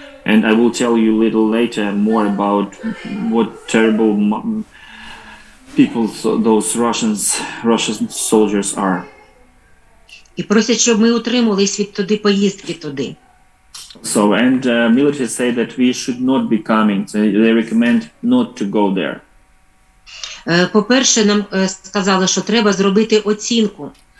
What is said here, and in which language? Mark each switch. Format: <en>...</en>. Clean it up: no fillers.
<en>And I will tell you a little later more about what terrible people those Russian soldiers are.</en> <uk>І просять, щоб ми утримувались від туди поїздки туди.</uk> <en>So, and military say that we should not be coming. So they recommend not to go there.</en> <uk>По-перше, нам сказали, що треба зробити оцінку.</uk>